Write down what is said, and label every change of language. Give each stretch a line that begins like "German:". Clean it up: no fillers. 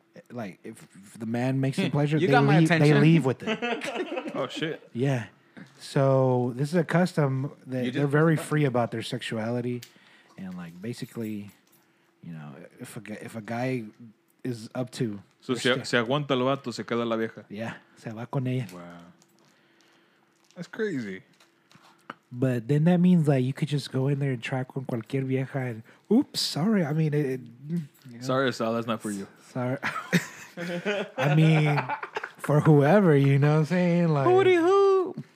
English: Like, if the man makes you pleasure, they leave with it. Oh, shit. Yeah. So, this is a custom that they're very free about their sexuality. And, like, basically, you know, if a guy is up to...
Spanish: So, se aguanta el vato, se queda la vieja.
English: Yeah.
Spanish: Se va con ella.
English: Wow. That's crazy. But then that means, like, you could just go in there and try
Spanish: con cualquier vieja
English: and... Oops, sorry. I mean, sorry, Sal, that's not for you. Sorry. I mean, for whoever, you know what I'm saying? Like, hootie hoo.